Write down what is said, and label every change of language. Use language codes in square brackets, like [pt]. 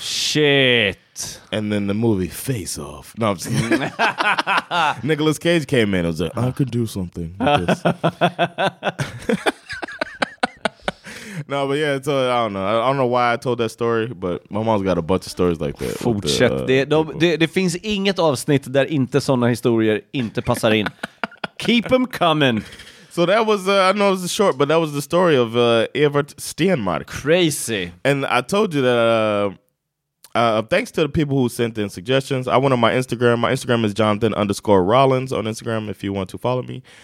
[en] Shit. And then the movie Face Off. No, I'm just kidding. Nicolas Cage came in and was like, I could do something with this. No, but yeah, so I don't know. I don't know why I told that story, but my mom's got a bunch of stories like that. [sv] Fortsätt. Det finns inget avsnitt där inte sådana historier inte passar in. [en] Keep them coming. So that was, I know it was short, but that was the story of Evert Stenmark. Crazy. And I told you that... thanks to the people who sent in suggestions. I went on my Instagram. My Instagram is Jonathan_Rollins on Instagram if you want to follow me.